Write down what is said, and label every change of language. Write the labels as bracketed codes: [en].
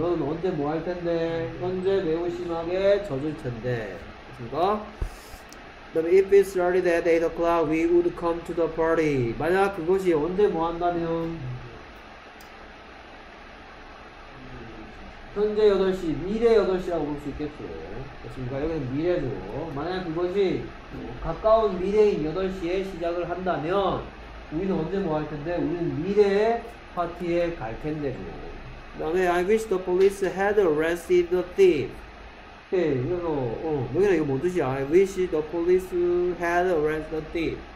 [ko] 너는 언제 뭐 할 텐데, 현재 매우 심하게 젖을 텐데. [en] 그니까, If it started at 8 o'clock, we would come to the party. [ko] 만약 그것이 언제 뭐 한다면? 현재 8시, 미래 8시라고 볼 수 있겠죠. 그렇습니까? 여기는 미래죠. 만약 그것이 가까운 미래인 8시에 시작을 한다면, 우리는 언제 뭐 할 텐데? 우리는 미래의 파티에 갈 텐데죠. [en] 그 다음에, I wish the police had arrested the thief. [ko] 오케이, 여기는 이거 뭔 뜻이야? [en] I wish the police had arrested the thief.